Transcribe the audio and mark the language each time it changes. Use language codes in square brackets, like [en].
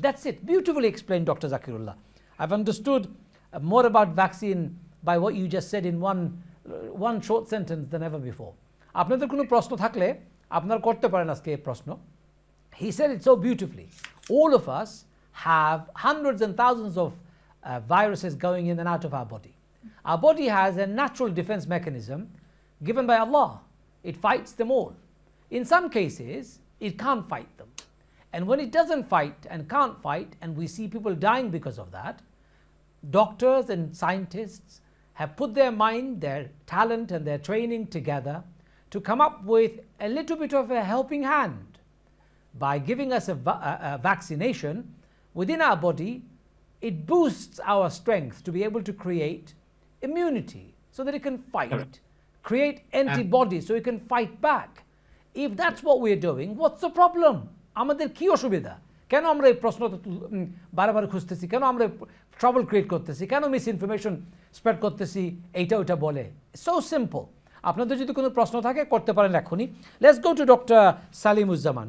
[en] That's it, beautifully explain doctor Zakirullah. I have understood more about vaccine by what you just said in one short sentence than ever before. [bn] আপনাদের কোনো প্রশ্ন থাকলে আপনার করতে পারেন আজকে প্রশ্ন। [en] He said it so beautifully, all of us have hundreds and thousands of viruses going in and out of our body. Our body has a natural defense mechanism given by Allah. It fights them all. In some cases, it can't fight them. And when it doesn't fight and can't fight, and we see people dying because of that, doctors and scientists have put their mind, their talent and their training together to come up with a little bit of a helping hand by giving us a vaccination within our body. It boosts our strength to be able to create immunity so that it can fight, create antibodies so it can fight back. If that's what we are doing, what's the problem? [bn] আমাদের কী অসুবিধা? কেন আমরা এই প্রশ্নটা বারবার খুঁজতেছি? কেন আমরা ট্রাবল ক্রিয়েট করতেছি? কেন মিস ইনফরমেশন স্প্রেড করতেছি? এইটা ওইটা বলে, সো সিম্পল। আপনাদের যদি কোনো প্রশ্ন থাকে করতে পারেন এখনই। [en] let's go to [bn] doctor সালিমুজ্জামান।